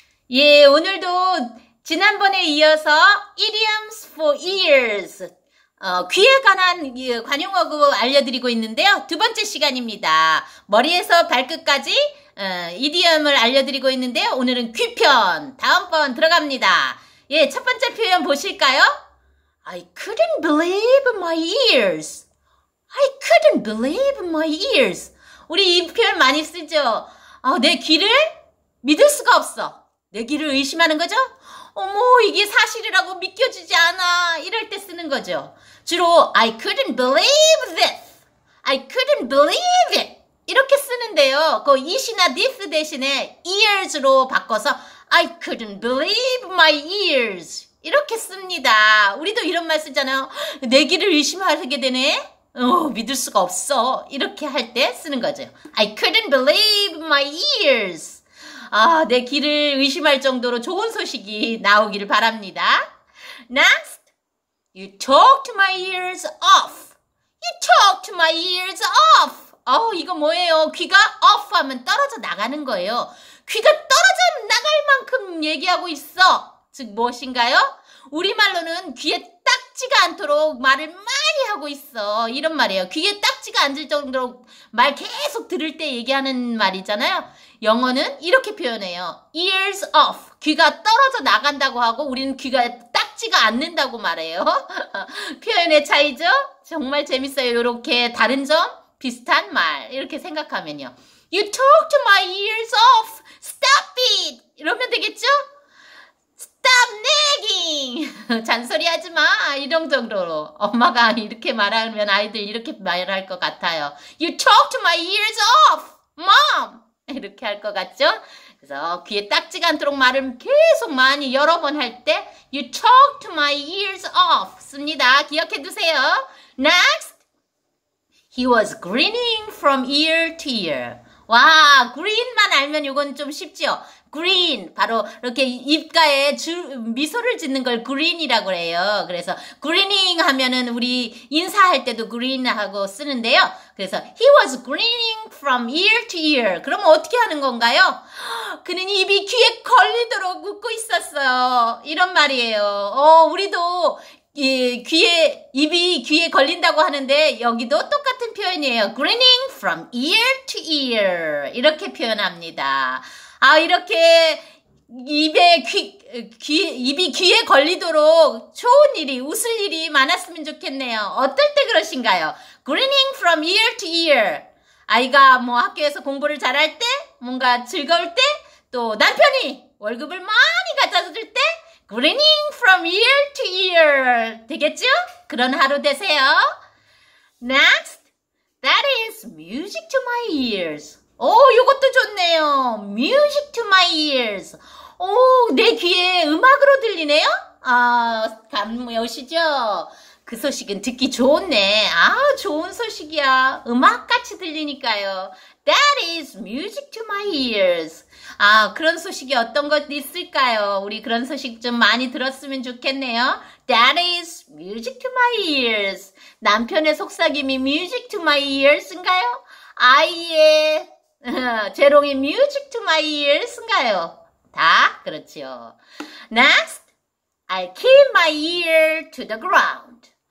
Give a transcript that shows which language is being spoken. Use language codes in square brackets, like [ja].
[ko] 예, 오늘도 지난번에 이어서 [en] idioms for ears, [ko] 귀에 관한 관용어구 알려드리고 있는데요. 두 번째 시간입니다. 머리에서 발끝까지 idiom을 알려드리고 있는데요. 오늘은 귀편, 다음번 들어갑니다. 예, 첫 번째 표현 보실까요? [en] I couldn't believe my ears. I couldn't believe my ears. [ko] 우리 이 표현 많이 쓰죠? 내 귀를 믿을 수가 없어. 내 귀를 의심하는 거죠? 어머, 이게 사실이라고 믿겨지지 않아. 이럴 때 쓰는 거죠. [en] 주로 I couldn't believe this. I couldn't believe it. [ko] 이렇게 쓰는데요. [en] 그 is나 this 대신에 ears로 바꿔서 I couldn't believe my ears. [ko] 이렇게 씁니다. 우리도 이런 말 쓰잖아요. 내 귀를 의심하게 되네. 믿을 수가 없어. 이렇게 할 때 쓰는 거죠. [en] I couldn't believe my ears. [ko] 내 귀를 의심할 정도로 좋은 소식이 나오기를 바랍니다. [en] Next, you talked my ears off. You talked my ears off. [ko] 이거 뭐예요? 귀가 off 하면 떨어져 나가는 거예요. 귀가 떨어져 나갈 만큼 얘기하고 있어. 즉 무엇인가요? 우리말로는 귀에 딱지가 않도록 말을 많이 하고 있어. 이런 말이에요. 귀에 딱지가 앉을 정도로 말 계속 들을 때 얘기하는 말이잖아요. 영어는 이렇게 표현해요. [en] Ears off. [ko] 귀가 떨어져 나간다고 하고 우리는 귀가 딱지가 않는다고 말해요. 표현의 차이죠? 정말 재밌어요. 이렇게 다른 점, 비슷한 말 이렇게 생각하면요. [en] You talked my ears off. Stop it. [ko] 이러면 되겠죠? [en] Stop nagging! [ko] 잔소리하지 마! 이런 정도로 엄마가 이렇게 말하면 아이들 이렇게 말할 것 같아요. [en] You talked my ears off! Mom! [ko] 이렇게 할 것 같죠? 그래서 귀에 딱지가 않도록 말을 계속 많이 여러 번 할 때 [en] You talked my ears off! [ko] 씁니다. 기억해 두세요. [en] Next! He was grinning from ear to ear. [ko] 와, green만 알면 이건 좀 쉽죠? Green, 바로 이렇게 입가에 미소를 짓는 걸 green이라고 해요. 그래서 grinning 하면은 우리 인사할 때도 green하고 쓰는데요. [en] 그래서 he was grinning from ear to ear. [ko] 그러면 어떻게 하는 건가요? 그는 입이 귀에 걸리도록 웃고 있었어요. 이런 말이에요. 우리도 입이 귀에 걸린다고 하는데 여기도 똑같은 표현이에요. [en] Grinning from ear to ear. [ko] 이렇게 표현합니다. 이렇게 입이 귀에 걸리도록 좋은 일이, 웃을 일이 많았으면 좋겠네요. 어떨 때 그러신가요? [en] Grinning from ear to ear. [ko] 아이가 뭐 학교에서 공부를 잘할 때, 뭔가 즐거울 때, 또 남편이 월급을 많이 갖다 줄 때, [en] Grinning from ear to ear. [ko] 되겠죠? 그런 하루 되세요. [en] Next, that is music to my ears. 이것도 좋네요. Music to my ears. [ko] 내 귀에 음악으로 들리네요? 감으시죠? 그 소식은 듣기 좋네. 좋은 소식이야. 음악같이 들리니까요. [en] That is music to my ears. [ko] 그런 소식이 어떤 것 있을까요? 우리 그런 소식 좀 많이 들었으면 좋겠네요. [en] That is music to my ears. [ko] 남편의 속삭임이 [en] music to my ears [ko] 인가요? 아이의 재롱이 [en] music to my ears [ko] 인가요? 다 그렇죠. [en] Next, I'll keep my ear to the ground.